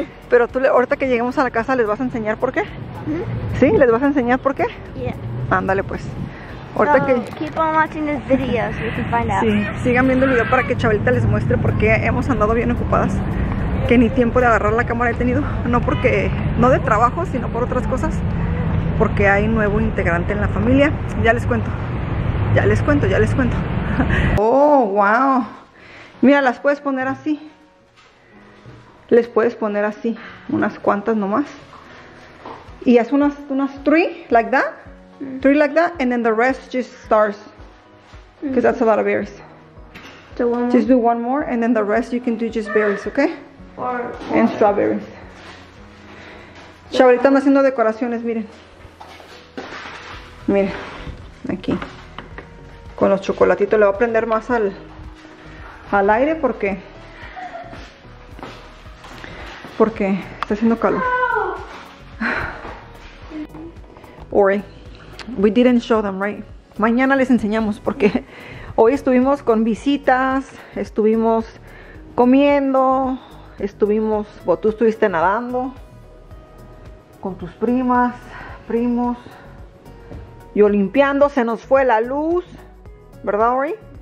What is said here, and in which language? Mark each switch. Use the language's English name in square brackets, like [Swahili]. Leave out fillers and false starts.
[Spanish] Pero tú, ahorita que lleguemos a la casa, les vas a enseñar por qué. Sí, les vas a enseñar por qué. [English] Yeah. [Spanish] Ándale pues. Ahorita so, que. [English] Keep on watching this video so you can find out. [Spanish] Sí, sigan viendo el video para que Chabelita les muestre por qué hemos andado bien ocupadas. Que ni tiempo de agarrar la cámara he tenido, no porque, no de trabajo, sino por otras cosas, porque hay nuevo integrante en la familia. Ya les cuento, ya les cuento, ya les cuento. [English] Oh, wow. [Spanish] Mira, las puedes poner así. Les puedes poner así. Unas cuantas nomás. Y haz unas [English] three, like that. Three like that, and then the rest just stars. Because that's a lot of berries. So one just do one more, and then the rest you can do just berries, okay? Four. And strawberries. [Spanish] Chavalita, están haciendo decoraciones, miren. Miren, aquí. Con los chocolatitos, le voy a prender más al aire porque está haciendo calor. [English] Ori, we didn't show them, right? [Spanish] Mañana les enseñamos porque hoy estuvimos con visitas, estuvimos comiendo, tú estuviste nadando con tus primas, primos, yo limpiando, se nos fue la luz, ¿verdad, Ori?